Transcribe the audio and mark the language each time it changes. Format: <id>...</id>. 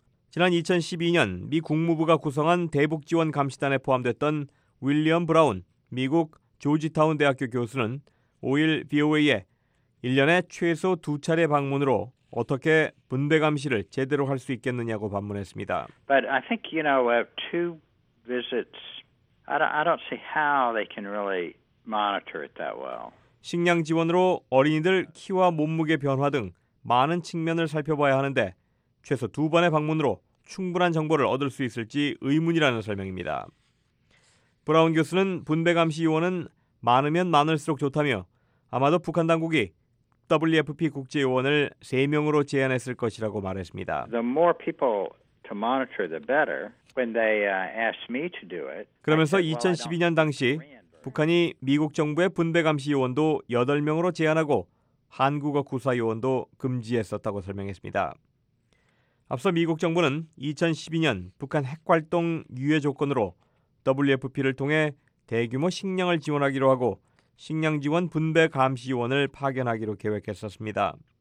<ko>지난 2012년 미 국무부가 구성한 대북지원감시단에 포함됐던 윌리엄 브라운 미국 조지타운 대학교 교수는 5일 BOA에 1년에 최소 두 차례 방문으로 어떻게 분대 감시를 제대로 할 수 있겠느냐고 반문했습니다.</ko> <en>But I think you know two visits. I don't see how they can really monitor it that well.</en> <ko>식량 지원으로 어린이들 키와 몸무게 변화 등 많은 측면을 살펴봐야 하는데 최소 두 번의 방문으로 충분한 정보를 얻을 수 있을지 의문이라는 설명입니다. 브라운 교수는 분배 감시 요원은 많으면 많을수록 좋다며 아마도 북한 당국이 WFP 국제 요원을 3명으로 제한했을 것이라고 말했습니다.</ko> <en>The more people to monitor the better when they asked me to do it.</en> <ko>그러면서 2012년 당시 북한이 미국 정부의 분배 감시 요원도 8명으로 제한하고 한국어 구사 요원도 금지했었다고 설명했습니다. 앞서 미국 정부는 2012년 북한 핵활동 유예 조건으로 WFP를 통해 대규모 식량을 지원하기로 하고 식량 지원 분배 감시 요원을 파견하기로 계획했었습니다.</ko>